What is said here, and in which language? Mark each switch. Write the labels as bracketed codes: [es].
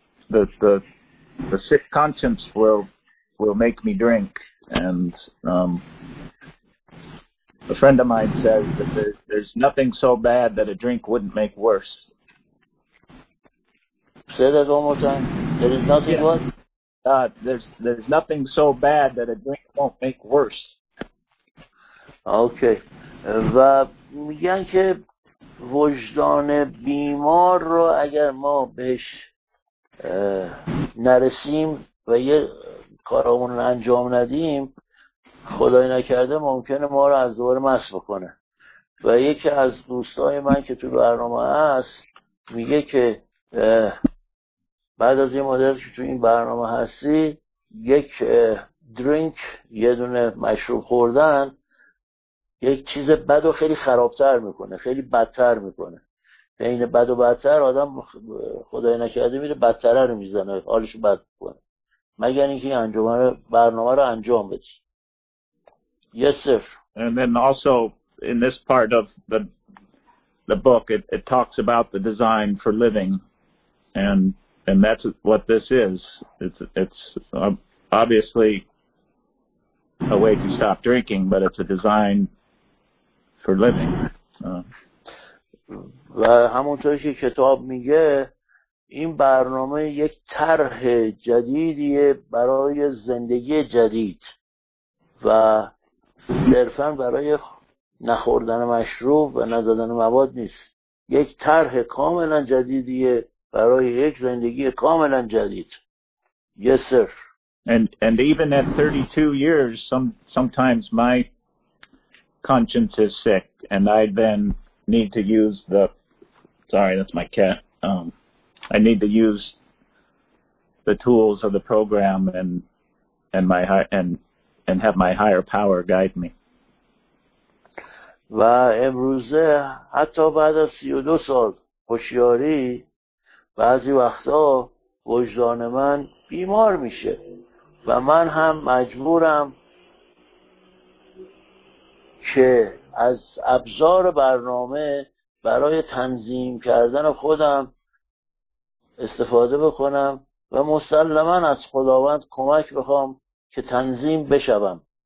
[en] The sick conscience will make me drink, and a friend of mine says that there's nothing so bad that a drink wouldn't make worse. Say that one more time. There is nothing what? There's nothing so bad that a drink won't make worse. Okay. [fa] و میگن که وجدان بیمار رو اگر ما بهش نرسیم و یه کارامون رو انجام ندیم، خدای نکرده ممکنه ما رو از دوباره مست بکنه. و یکی از دوستای من که تو برنامه هست میگه که بعد از این مدت که تو این برنامه هستی، یک درینک، یه دونه مشروب خوردن، یک چیز بد و خیلی خرابتر میکنه، خیلی بدتر میکنه. بین بد و بدتر آدم خدای نکرده میره بدتره رو میزنه، حالش بد میکنه، مگر اینکه این برنامه رو انجام بدی. [en] Yes, sir. And then also in this part of the book, it talks about the design for living, and that's what this is. It's obviously a way to stop drinking, but it's a design for living. [fa] و همونطوری که کتاب میگه، این برنامه یک طرح جدیدیه برای زندگی جدید و صرفا برای نخوردن مشروب و ندادن مواد نیست. یک طرح کاملا جدیدیه برای یک زندگی کاملا جدید. [en] Yes, sir. And even at 32 years, sometimes my conscience is sick, and I then need to use the... Sorry, that's my cat. I need to use the tools of the program and have my higher power guide me. [fa] و امروزه حتی بعد از 32 سال هوشیاری، بعضی وقتا وجدان من بیمار میشه و من هم مجبورم که از ابزار برنامه برای تنظیم کردن خودم استفاده بکنم و مسلما از خداوند کمک بخوام که تنظیم بشوم.